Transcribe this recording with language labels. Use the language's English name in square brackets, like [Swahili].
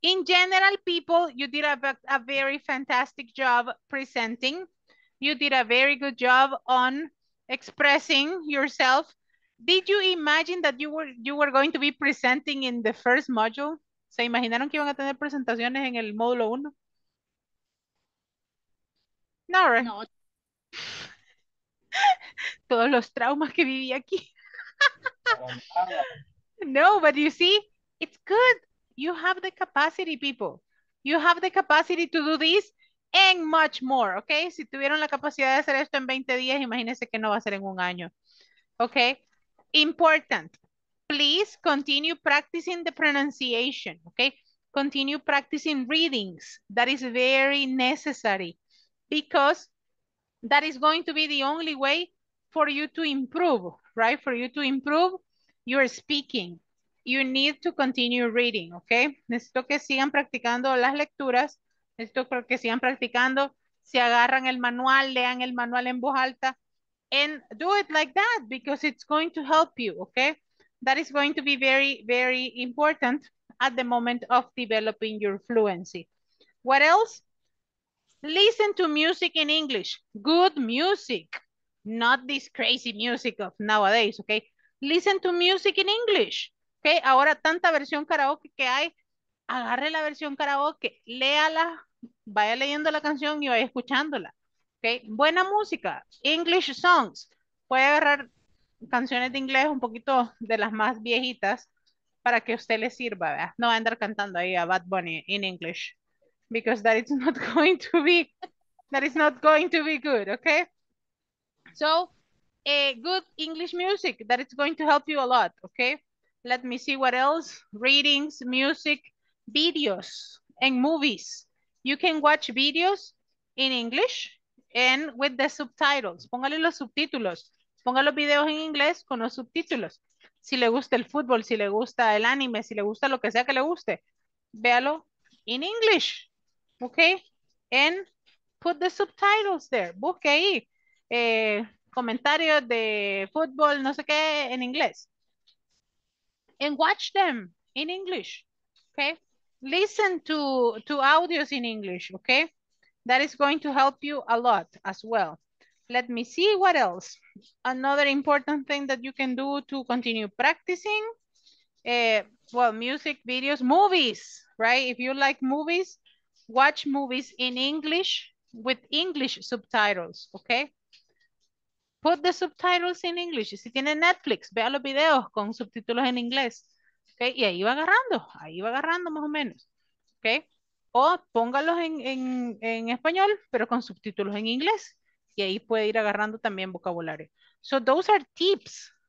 [English] In general, people, you did a very fantastic job presenting. You did a very good job on expressing yourself. Did you imagine that you were going to be presenting in the first module? [Spanish] ¿Se imaginaron que iban a tener presentaciones en el módulo 1? [English] No, right? No. [Spanish] Todos los traumas que viví aquí. [English] No, but you see, it's good. You have the capacity, people. You have the capacity to do this and much more, okay? [Spanish] Si tuvieron la capacidad de hacer esto en 20 días, imagínense que no va a ser en un año, okay? [English] Important. Please continue practicing the pronunciation, okay? Continue practicing readings. That is very necessary because that is going to be the only way for you to improve, right? For you to improve your speaking. You need to continue reading, okay? [Spanish] Necesito que sigan practicando las lecturas. Necesito que sigan practicando. Si agarran el manual, lean el manual en voz alta. [English] And do it like that because it's going to help you, okay? That is going to be very, very important at the moment of developing your fluency. What else? Listen to music in English. Good music. Not this crazy music of nowadays, okay? Listen to music in English, okay? [Spanish] Ahora tanta versión karaoke que hay, agarre la versión karaoke, léala, vaya leyendo la canción y vaya escuchándola, okay? Buena música, [English] English songs. [Spanish] Puede agarrar canciones de inglés un poquito de las más viejitas para que usted le sirva, ¿verdad? No va a andar cantando ahí a [English] Bad Bunny in English because that is not going to be good, okay? So, good English music, that it's going to help you a lot, okay? Let me see what else. Readings, music, videos, and movies. You can watch videos in English and with the subtitles. [Spanish] Póngale los subtítulos. Ponga los videos en inglés con los subtítulos. Si le gusta el fútbol, si le gusta el anime, si le gusta lo que sea que le guste, véalo [English] in English, [Spanish] okay? [English] And put the subtitles there. [Spanish] Busque ahí. Comentarios de fútbol, no sé qué, en inglés. [English] And watch them in English, okay? Listen to audios in English, okay? That is going to help you a lot as well. Let me see what else. Another important thing that you can do to continue practicing, music, videos, movies, right? If you like movies, watch movies in English with English subtitles, okay? Put the subtitles in English. [Spanish] Si tiene Netflix, vea los videos con subtítulos en inglés. Okay? Y ahí va agarrando más o menos. Okay? O póngalos en español, pero con subtítulos en inglés. Y ahí puede ir agarrando también vocabulario. [English] So those are tips,